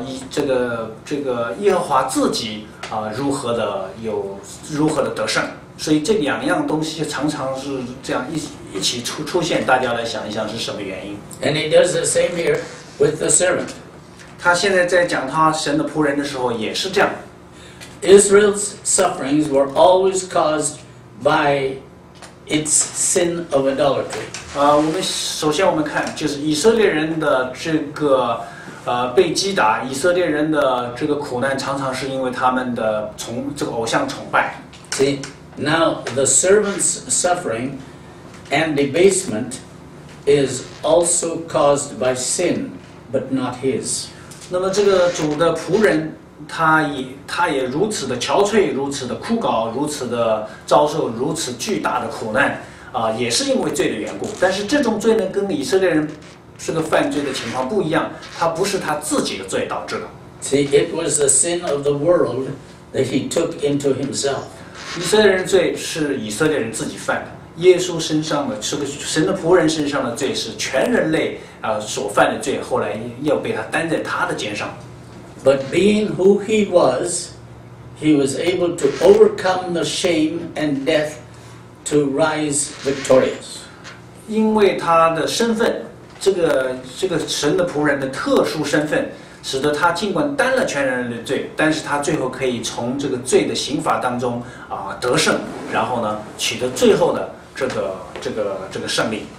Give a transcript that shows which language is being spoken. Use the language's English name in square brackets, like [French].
[Chinese] 这个耶和华自己如何的得胜。所以这两样东西常常是这样 一起 出现，大家来想一想是什么原因。 [English] And he does the same here with the servant. [Chinese] 他现在在讲他神的仆人的时候也是这样。 [English] Israel's sufferings were always caused by its sin of idolatry. [Chinese] 我们看，就是以色列人的这个被击打，以色列人的这个苦难常常是因为他们的这个偶像崇拜。 [English] See? Now, the servant's suffering and debasement is also caused by sin, but not his. [Chinese] 那么这个主的仆人他也如此的憔悴，如此的枯槁，如此的遭受如此巨大的苦难，也是因为罪的缘故。但是这种罪呢，跟以色列人这个犯罪的情况不一样，他不是他自己的罪导致的。 [English] See, it was the sin of the world that he took into himself. [Chinese] 以色列人罪是以色列人自己犯的，耶稣身上的是个神的仆人身上的罪是全人类所犯的罪，后来要被他担在他的肩上。 [English] But being who he was, he was able to overcome the shame and death to rise victorious. [Chinese] 因为他的身份，这个神的仆人的特殊身份。使得他尽管担了全人类的罪，但是他最后可以从这个罪的刑罚当中得胜，然后呢取得最后的这个胜利。